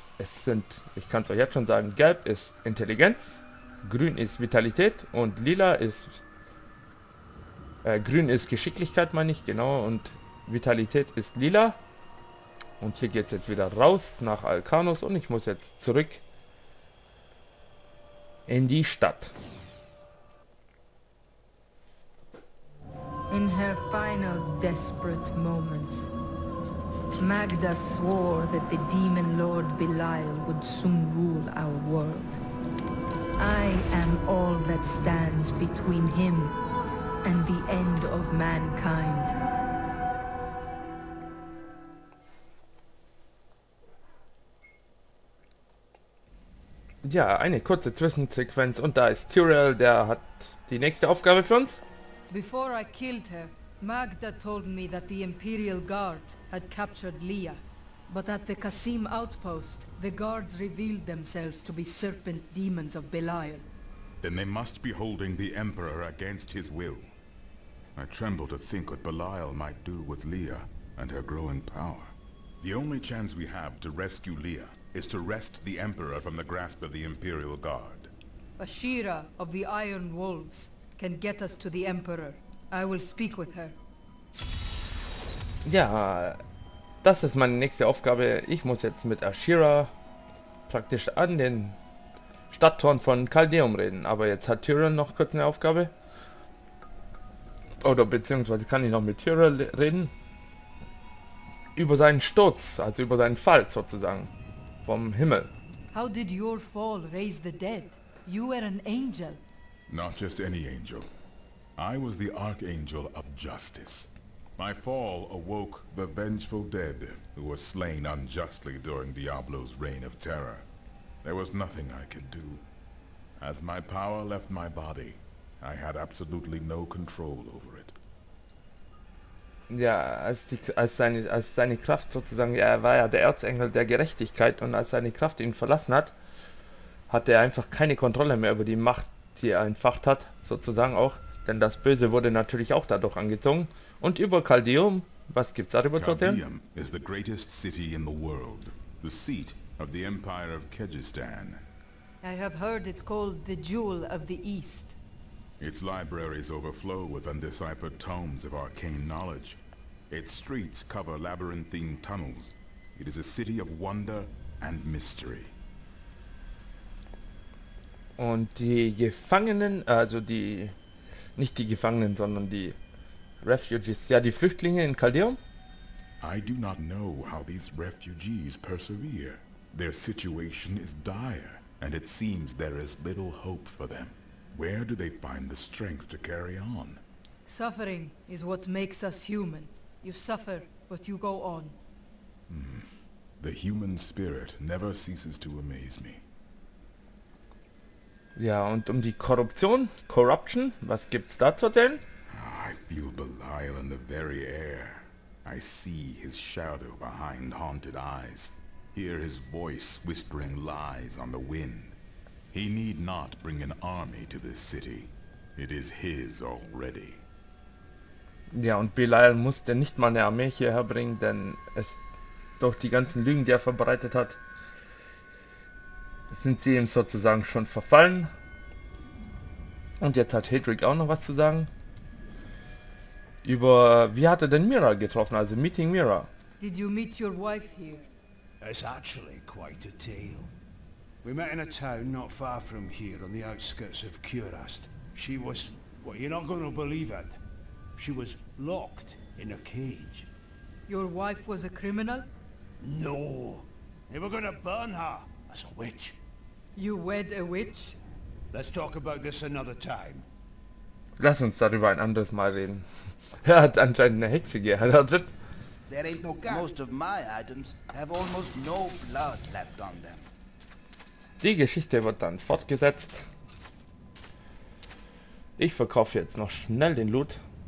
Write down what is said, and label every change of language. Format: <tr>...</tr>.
<de>Es sind, ich kann es euch jetzt schon sagen, gelb ist Intelligenz, grün ist Vitalität und lila ist, grün ist Geschicklichkeit, meine ich, genau, und Vitalität ist lila. Und hier geht es jetzt wieder raus nach Alkanos und ich muss jetzt zurück in die Stadt.</de> <en>In her final desperate moments, Magda swore that the demon lord Belial would soon rule our world. I am all that stands between him and the end of mankind.</en> <de>Ja, eine kurze Zwischensequenz und da ist Tyrael, der hat die nächste Aufgabe für uns.</de> <en>Before I killed her, Magda told me that the Imperial Guard had captured Leah. But at the Kasim outpost, the guards revealed themselves to be serpent demons of Belial. Then they must be holding the Emperor against his will. I tremble to think what Belial might do with Leah and her growing power. The only chance we have to rescue Leah is to wrest the Emperor from the grasp of the Imperial Guard. Ashira of the Iron Wolves can get us to the Emperor. I will speak with her.</en> <de>Ja, das ist meine nächste Aufgabe. Ich muss jetzt mit Ashira praktisch an den Stadttoren von Chaldeum reden. Aber jetzt hat Tyrael noch kurz eine Aufgabe. Oder beziehungsweise kann ich noch mit Tyrael reden. Über seinen Sturz, also über seinen Fall sozusagen. Vom Himmel.</de> <en>How did your fall raise the dead? You were an angel. Not just any angel. I was the Archangel of Justice. My fall awoke the vengeful dead who were slain unjustly during Diablo's reign of terror. There was nothing I could do. As my power left my body, I had absolutely no control over it.</en> <de>Ja, als seine Kraft sozusagen, er war ja der Erzengel der Gerechtigkeit und als seine Kraft ihn verlassen hat, hatte er einfach keine Kontrolle mehr über die Macht, die er entfacht hat, sozusagen auch, denn das Böse wurde natürlich auch dadurch angezogen. Und über Chaldeum, was gibt's darüber zu erzählen?</de> <en>Chaldeum is the greatest city in the world, the seat of the Empire of Khajistan. I have heard it called the Jewel of the East. Its libraries overflow with undeciphered tomes of arcane knowledge. Its streets cover labyrinthine tunnels. It is a city of wonder and mystery.</en> <de>Und die Gefangenen, also die, nicht die Gefangenen, sondern die Refugees, ja, die Flüchtlinge in Chaldeum?</de> <en>I do not know how these refugees persevere. Their situation is dire, and it seems there is little hope for them. Where do they find the strength to carry on? Suffering is what makes us human. You suffer, but you go on. The human spirit never ceases to amaze me.</en> <de>Ja, und um die Korruption, Corruption, was gibt's da zu erzählen?</de> <en>I feel Belial in the very air. I see his shadow behind haunted eyes. Hear his voice whispering lies on the wind. He need not bring an army to this city. It is his already.</en> <de>Ja, und Belial musste nicht mal eine Armee hierher bringen, denn es durch die ganzen Lügen, die er verbreitet hat, sind sie ihm sozusagen schon verfallen. Und jetzt hat Hedrick auch noch was zu sagen. Über, wie hat er denn Mira getroffen, also</de> <en>Meeting Mira? Did you meet your wife here? It's actually quite a tale. We met in a town not far from here, on the outskirts of Kurast. She was Well, you're not gonna believe it. She was locked in a cage. Your wife was a criminal? No. They were gonna burn her as a witch. You wed a witch? Let's talk about this another time.</en> <de>Lass uns darüber ein anderes Mal reden. Er hat anscheinend eine Hexe geheiratet.</de> <en>There ain't no gun. Most of my items have almost no blood left on them.</en> <de>Die Geschichte wird dann fortgesetzt. Ich verkaufe jetzt noch schnell den Loot.</de>